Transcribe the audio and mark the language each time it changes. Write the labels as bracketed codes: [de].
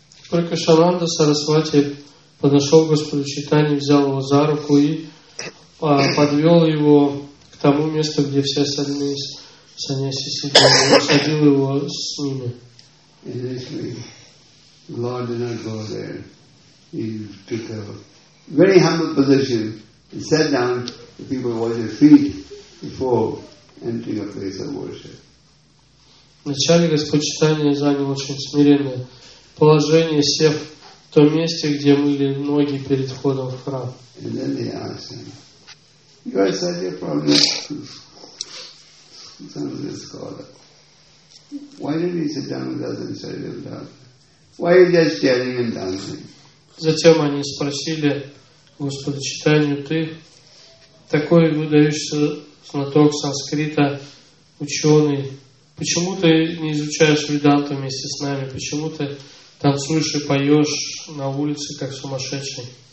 [ru] Пракашананда Сарасвати подошел к Господу Чайтанье, взял его за руку и подвел его к тому месту, где все остальные саньяси сидели, и садил его с ними. [en] Initially, the Lord did not go there. He took a very humble position and sat down. The people washed their feet before entering a place of worship. [ru] Вначале Господь Чайтанья занял очень смиренное положение, сев в том месте, где мыли ноги перед входом в храм. [en] And then they asked him, "You are such a prominent Sanskrit scholar. Why did he sit down with us and study with us? Why are you just chanting and dancing?" [ru] Затем они спросили Господа Читанию, ты такой выдающийся знаток санскрита, ученый, почему ты не изучаешь веданту вместе с нами, почему ты танцуешь и поешь на улице, как сумасшедший?